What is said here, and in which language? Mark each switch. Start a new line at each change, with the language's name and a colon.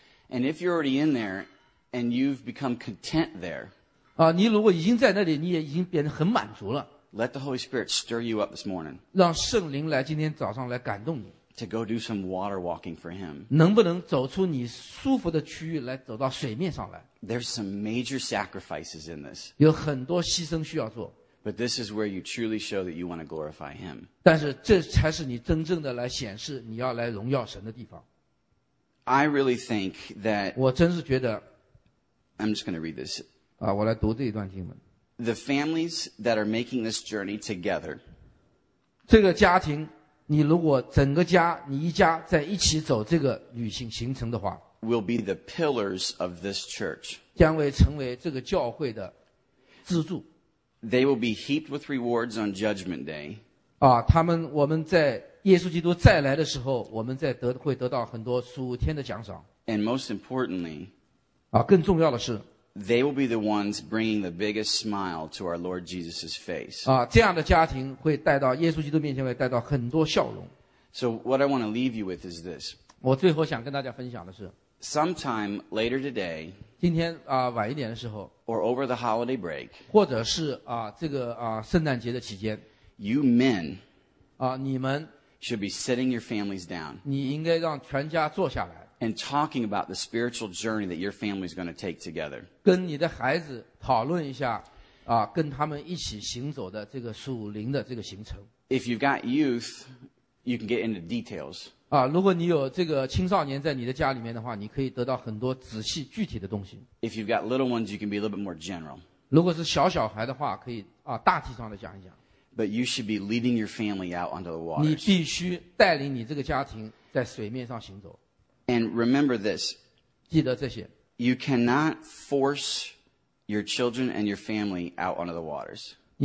English: And if you're already in there and you've become content there.
Chinese: 啊，你如果已经在那里，你也已经变得很满足了。
English: Let the Holy Spirit stir you up this morning.
Chinese: 让圣灵来今天早上来感动你。
English: To go do some water walking for him.
Chinese: 能不能走出你舒服的区域来走到水面上来
English: ？There's some major sacrifices in this.
Chinese: 有很多牺牲需要做。
English: But this is where you truly show that you want to glorify him.
Chinese: 但是这才是你真正的来显示你要来荣耀神的地方。
English: I really think that
Chinese: 我真是觉得
English: I'm just going to read this.
Chinese: 啊，我来读这一段经文。
English: The families that are making this journey together.
Chinese: 这个家庭。你如果整个家，你一家在一起走这个旅行行程的话
English: ，will be the pillars of this church，
Chinese: 将会成为这个教会的支柱。
English: They will be heaped with rewards on Judgment Day。
Chinese: 啊，我们在耶稣基督再来的时候，我们在会得到很多属天的奖赏。
English: And most importantly，
Chinese: 啊，更重要的是
English: ，they will be the ones bringing the biggest smile to our Lord Jesus's face。
Chinese: 啊，这样的家庭会带到耶稣基督面前，会带到很多笑容。
English: So what I want to leave you with is this.
Chinese: 我最后想跟大家分享的是
English: Sometime later today,
Chinese: 今天, 晚一点的时候,
English: or over the holiday break,
Chinese: 或者是, 这个圣诞节的期间,
English: you men,
Chinese: 你们,
English: should be sitting your families down,
Chinese: 你应该让全家坐下来,
English: and talking about the spiritual journey that your family is going to take together.
Chinese: 跟你的孩子讨论一下, 跟他们一起行走的这个属灵的这个行程。
English: If you've got youth, you can get into details.
Chinese: 如果你有这个青少年在你的家里面的话, 你可以得到很多仔细具体的东西。
English: If you've got little ones, you can be a little bit more general.
Chinese: 如果是小小孩的话, 可以, 大体上的讲一讲。
English: But you should be leading your family out onto the waters.
Chinese: 你必须带领你这个家庭在水面上行走。
English: And remember this.
Chinese: 记得这些。
English: You cannot force your children and your family out onto the waters.